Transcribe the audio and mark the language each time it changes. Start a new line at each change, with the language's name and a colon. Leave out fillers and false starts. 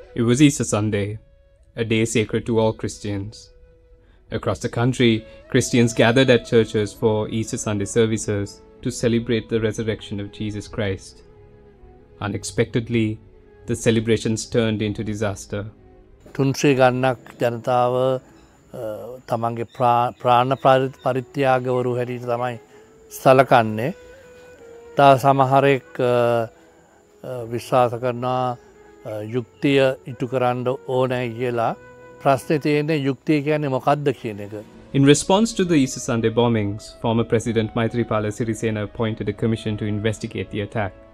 English: It was Easter Sunday, a day sacred to all Christians. Across the country, Christians gathered at churches for Easter Sunday services to celebrate the resurrection of Jesus Christ. Unexpectedly, the celebrations turned into disaster.
Sinhala: තුන්සේ ගන්නක් ජනතාව තමන්ගේ ප්‍රාණ පරිත්‍යාගවරු හැටියට තමයි සලකන්නේ. තව සමහරෙක් විශ්වාස කරනවා යුක්තිය ඉටු කරන්න ඕනේ කියලා. ප්‍රශ්නේ තියෙන්නේ යුක්තිය කියන්නේ මොකද්ද කියන එක.
English: In response to the Easter Sunday bombings, former President Maithripala Sirisena appointed a commission to investigate the attack.